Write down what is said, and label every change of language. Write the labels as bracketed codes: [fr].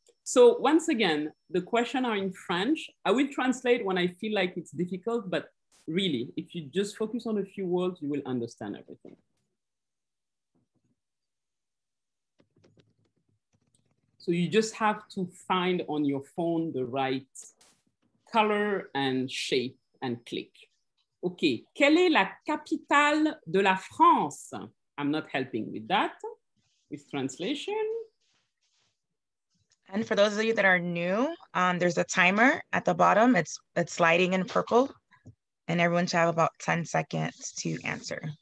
[en] So once again, the questions are in French. I will translate when I feel like it's difficult, but really, if you just focus on a few words, you will understand everything. So you just have to find on your phone the right color and shape and click. [fr] Okay, quelle est la capitale de la France? [en] I'm not helping with that, with translation. And for those of you that are new, there's a timer at the bottom. It's lighting in purple and everyone should have about 10 seconds to answer.